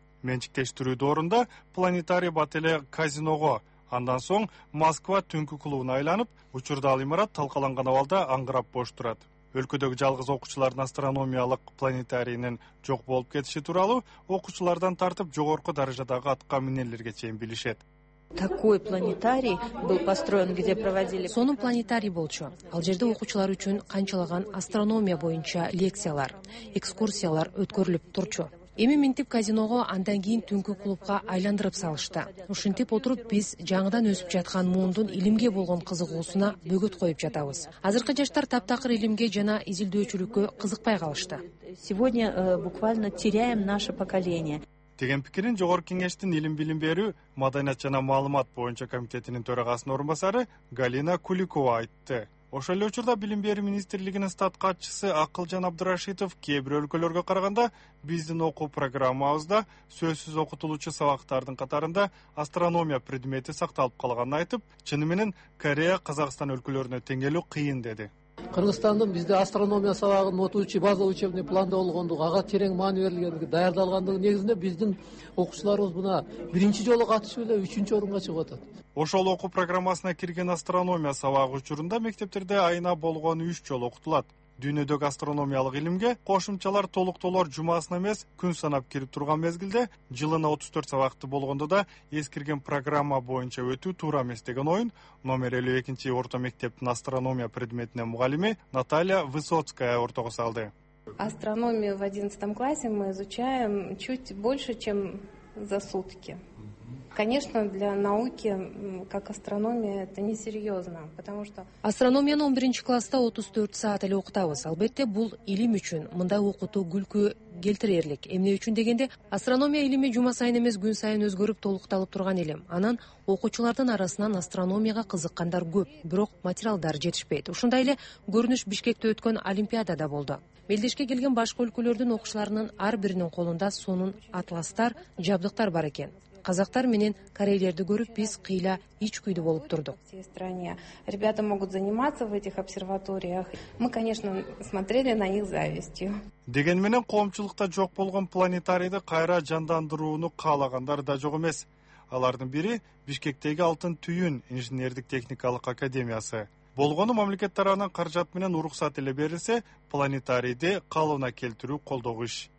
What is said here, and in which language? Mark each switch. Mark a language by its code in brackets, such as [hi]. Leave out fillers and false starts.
[ky] Менчиктештирүү доорунда планетарий бат эле казиного, андан соң Москва түнкү клубуна айланып, учурдал имарат талкаланган абалда аңгырап бош турат. Өлкөдөгү жалгыз окуучулардын астрономиялык планетарийинин жок болуп кетиши тууралуу окуучулардан тартып жогорку даражадагы атка минерлерге чейин билишет. [ru] Такой планетарий был построен, где проводили... [ky] Сонун планетарий болчу. Ал жерде окуучулар үчүн канчалаган астрономия боюнча лекциялар, экскурсиялар өткөрүлүп турчу. Эми минтип казиного, андан кийин түнкү клубка айландырып салышты. Ушинтип отуруп биз жаңдан өсүп жаткан муундун илимге болгон кызыгуусуна бөгөт коюп жатабыз. Азыркы жаштар таптакыр илимге жана изилдөөчүлүккө кызыкпай калышты. [ru] Сегодня буквально теряем наше поколение. [ky] Деген пикирин Жогорку Кеңештин илим билим берүү, маданият жана маалымат боюнча комитетинин төрагасынын орун басары Галина Куликова айтты. Ошол эле учурда Билим берүү министрлигинин статкатчысы Акылжан Абдырашитов кээ бир өлкөлөргө караганда биздин окуу программабызда сөзсүз окутулуучу сабактардын катарында астрономия предмети сакталып калганын айтып, чыны менен Корея, Казакстан өлкөлөрүнө теңелүү кыйын деди. Кыргызстандын бизде астрономия сабагынын отуучу базалык учебный планда болгондугу, ага терең маани берилгендиги, даярдалгандыгы негизинде биздин окуучуларыбыз буна биринчи жолу катышып эле үчүнчү орунга чыгып атат. Ошол окуу программасына кирген астрономия сабагы учурунда мектептерде айына болгону 3 жолу окутулат. Дүйнөдөгү астрономиялык илимге кошумчалар толуктоолор жумасына эмес күн санап кирип турган мезгилде жылына 34 сабакты болгондо да эскирген программа боюнча өтүү туура эмес деген оюн номер 52 орто мектептин астрономия предметинен мугалими Наталья Высоцкая ортого салды. [ru] Астрономию в 11 классе мы изучаем чуть больше, чем за сутки. Конечно, для науки, как астрономия, это несерьезно, потому что... [ky] Астрономияны 11-ші класта 34 саат эле окутабыз. Албетте, бул илим үчүн. Мындай окутуу күлкү келтирерлик. Эмне үчүн дегенде, астрономия илими жума сайын эмес күн сайын өзгөрүп толукталып турган илим. Анан окуучулардын арасынан астрономияга кызыккандар көп, бирок материалдар жетишпейт. Ушундай эле көрүнүш Бишкекте өткөн олимпиадада болду. Белдешке келген башка өлкөлөрдүн окуучуларынын ар биринин колунда сонун атластар, жабдыктар бар экен. Казактар менен корейлерди көрүп биз кыйла ич күйдү болуп турдук. [ru] Ребята могут заниматься в этих обсерваториях. Мы, конечно, смотрели на них завистью. [ky] Деген менен коомчулукта жок болгон планетарийди кайра жандандырууну каалагандар да жок эмес. Алардын бири Бишкектеги Алтын Түйүн инженердик техникалык академиясы. Болгону мамлекет тарабынан каражат менен уруксат эле берилсе, планетарийди калыбына келтирүү колдогу иш.